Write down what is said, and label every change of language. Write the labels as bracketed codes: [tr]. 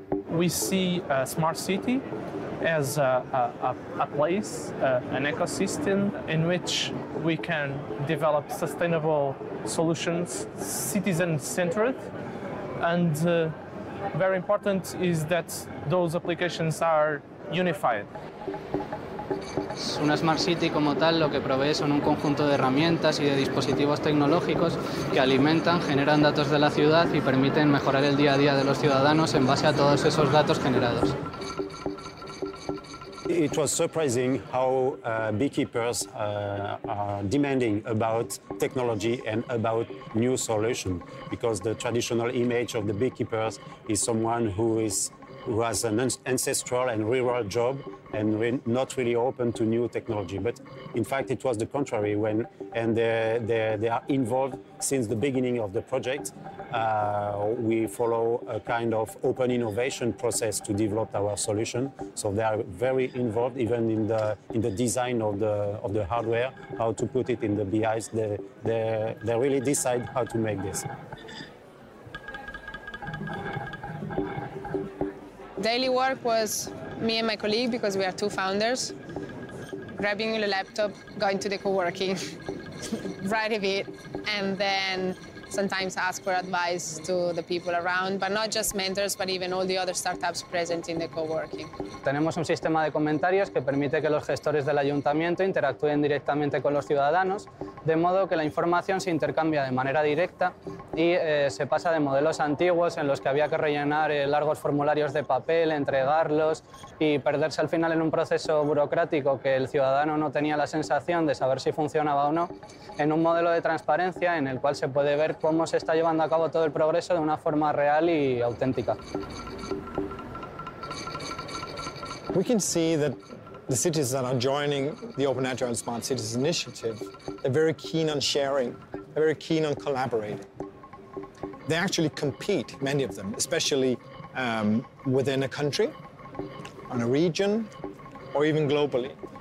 [en] We see a smart city as a place, an ecosystem in which we can develop sustainable solutions, citizen-centered. And very important is that those applications are unified. [es] Una smart city como tal lo que provee son un conjunto de herramientas y de dispositivos tecnológicos que alimentan, generan datos de la ciudad y permiten mejorar el día a día de los ciudadanos en base a todos esos datos generados. [en] It was surprising how beekeepers are demanding about technology and about new solutions, because the traditional image of the beekeepers is someone who has an ancestral and rural job and not really open to new technology. But in fact, it was the contrary. They are involved since the beginning of the project. We follow a kind of open innovation process to develop our solution. So they are very involved even in the design of the hardware, how to put it in the BIs. They really decide how to make this. Daily work was me and my colleague, because we are two founders, grabbing the laptop, going to the co-working, write a bit, and then sometimes ask for advice to the people around, but not just mentors, but even all the other startups present in the co-working. [es] Tenemos un sistema de comentarios que permite que los gestores del ayuntamiento interactúen directamente con los ciudadanos, de modo que la información se intercambia de manera directa y se pasa de modelos antiguos en los que había que rellenar largos formularios de papel, entregarlos y perderse al final en un proceso burocrático que el ciudadano no tenía la sensación de saber si funcionaba o no, en un modelo de transparencia en el cual se puede ver cómo se está llevando a cabo todo el progreso de una forma real y auténtica. [en] We can see that the cities that are joining the Open Agile and Smart Cities initiative, they're very keen on sharing, they're very keen on collaborating. They actually compete, many of them, especially within a country, on a region, or even globally.